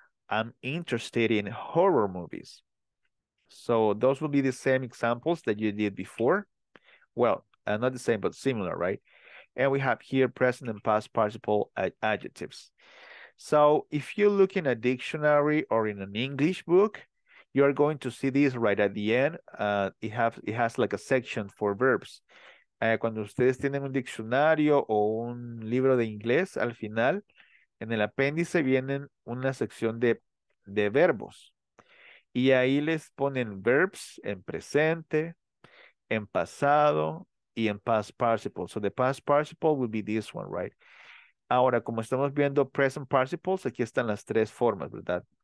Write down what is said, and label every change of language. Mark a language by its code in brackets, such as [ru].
[en] I'm interested in horror movies. So those will be the same examples that you did before. Well, not the same, but similar, right? And we have here present and past participle adjectives. So if you look in a dictionary or in an English book, you're going to see this right at the end. It has like a section for verbs. [es] Cuando ustedes tienen un diccionario o un libro de inglés, al final, en el apéndice vienen una sección de verbos. Y ahí les ponen verbs en presente, en pasado y en past participle. [en] So the past participle will be this one, right? [es] Ahora, como estamos viendo present participles, aquí están las tres formas, ¿verdad?